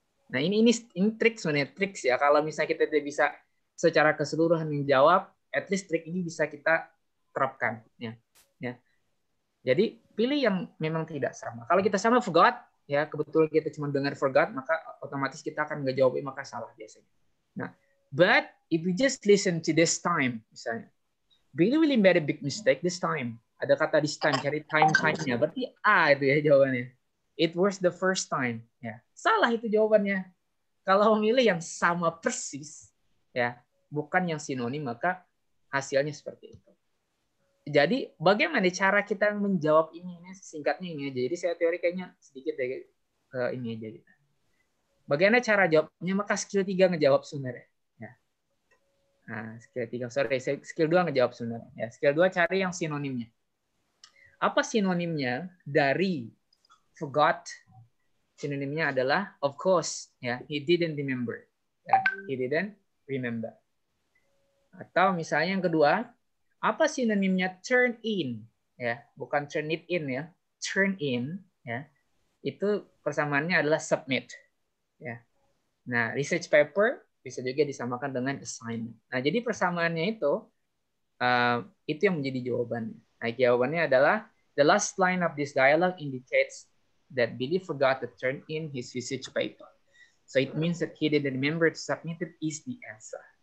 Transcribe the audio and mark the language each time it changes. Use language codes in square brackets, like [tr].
[id] Nah, ini trik sebenarnya, trik ya. Kalau misalnya kita tidak bisa secara keseluruhan menjawab, at least trik ini bisa kita terapkan. Ya. Ya. Jadi, pilih yang memang tidak sama. Kalau kita sama forgot, ya kebetulan kita cuma dengar forgot, maka otomatis kita akan ngejawab, maka salah biasanya. [en] Nah, but if you just listen to this time, misalnya, Billy really made a big mistake this time. [id] Ada kata this time, cari time-time-nya. Berarti A itu ya jawabannya. [en] It was the first time. [id] Ya. Salah itu jawabannya. Kalau memilih yang sama persis, ya bukan yang sinonim, maka hasilnya seperti itu. Jadi bagaimana cara kita menjawab ini? Singkatnya ini aja. Jadi saya teori kayaknya sedikit deh ke ini aja. Bagaimana cara jawabnya? Maka skill 3 ngejawab sebenarnya. Nah, skill 2 ngejawab sebenarnya. Ya, skill 2 cari yang sinonimnya. Apa sinonimnya dari forgot? Sinonimnya adalah [en] of course, ya, he didn't remember. Ya, he didn't remember. [id] Atau misalnya yang kedua, apa sinonimnya turn in? Ya, bukan turn it in ya. Turn in, ya. Itu persamaannya adalah submit. Ya. Nah, research paper bisa juga disamakan dengan assignment. Nah, jadi persamaannya itu yang menjadi jawabannya. Nah, jawabannya adalah, [en] the last line of this dialogue indicates that Billy forgot to turn in his research paper. So it means that he didn't remember to submit it is the answer.